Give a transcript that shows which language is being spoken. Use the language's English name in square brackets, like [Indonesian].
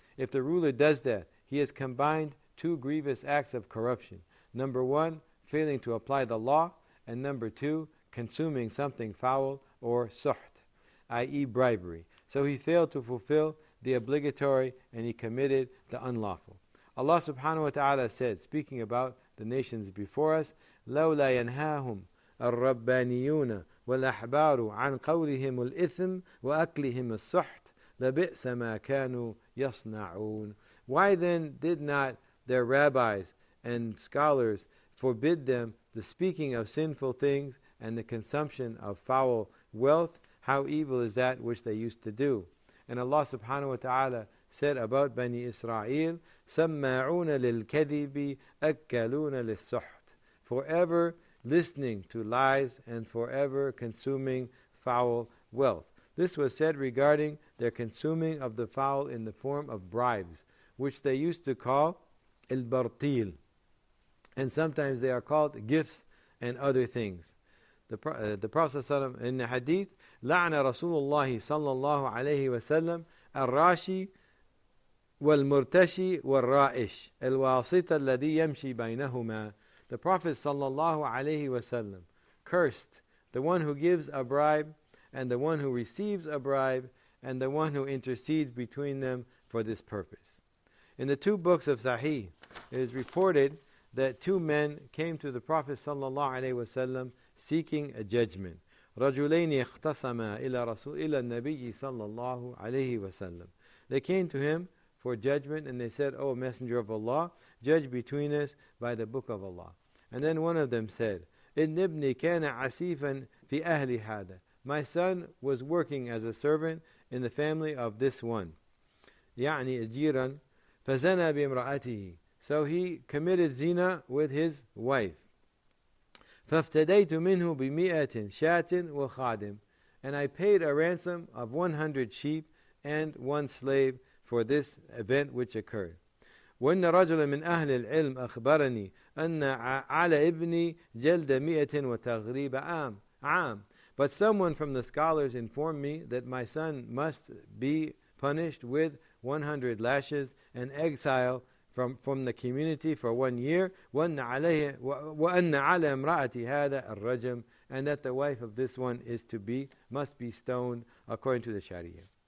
[English] If the ruler does that, he has combined two grievous acts of corruption. Number one, failing to apply the law, and number two, consuming something foul or suht, i.e. bribery. So he failed to fulfill the obligatory and he committed the unlawful. Allah subhanahu wa ta'ala said, speaking about the nations before us, [Arabic] لَوْلَا يَنْهَاهُمْ الرَّبَّانِيُّونَ وَالْأَحْبَارُ عَنْ قَوْلِهِمُ الْإِثْمِ وَأَكْلِهِمُ السُّحْتِ لَبِئْسَ مَا كَانُوا يَصْنَعُونَ. [English] Why then did not their rabbis and scholars forbid them the speaking of sinful things and the consumption of foul wealth? How evil is that which they used to do. And Allah subhanahu wa ta'ala said about Bani Israel, [Arabic] سَمَّعُونَ لِلْكَذِبِ أَكَّلُونَ لِلسُّحْتِ. [English] Forever listening to lies and forever consuming foul wealth. This was said regarding their consuming of the foul in the form of bribes, which they used to call الْبَرْطِيلِ. And sometimes they are called gifts and other things. The Prophet ﷺ in the hadith, [Arabic] لَعْنَ رَسُولُ اللَّهِ صَلَّى اللَّهُ عَلَيْهِ وَسَلَّمْ الرَّاشِي وَالْمُرْتَشِي وَالرَّائِشِ الْوَاسِطَ الَّذِي يَمْشِي بَيْنَهُمَا. [English] The Prophet ﷺ cursed the one who gives a bribe and the one who receives a bribe and the one who intercedes between them for this purpose. In the two books of Sahih, it is reported that two men came to the Prophet ﷺ seeking a judgment. [Arabic] رَجُلَيْنِ اخْتَصَمَا إِلَى رَسُولِ إِلَى النَّبِيِّ صَلَّى اللَّهُ عَلَيْهِ وَسَلَّمْ. [English] They came to him for judgment and they said, O Messenger of Allah, judge between us by the book of Allah. And then one of them said, [Arabic] إِنِّ ابْنِي كَانَ عَسِيفًا فِي أَهْلِ هَذَا. [English] My son was working as a servant in the family of this one. [Arabic] يعني أجيراً فَزَنَى بِامْرَأَتِهِ. [English] So he committed zina with his wife. [Arabic] فافتديت منه بمئة شاة وخادم. [English] And I paid a ransom of 100 sheep and one slave for this event which occurred. [Arabic] وإن رجلا من أهل العلم أخبرني أن على ابني جلد مئة وتغريب عام. [English] But someone from the scholars informed me that my son must be punished with 100 lashes and exile from the community for 1 year. [Arabic] وأن على امرأتي هذا الرجم, [English] and that the wife of this one must be stoned according to the Sharia.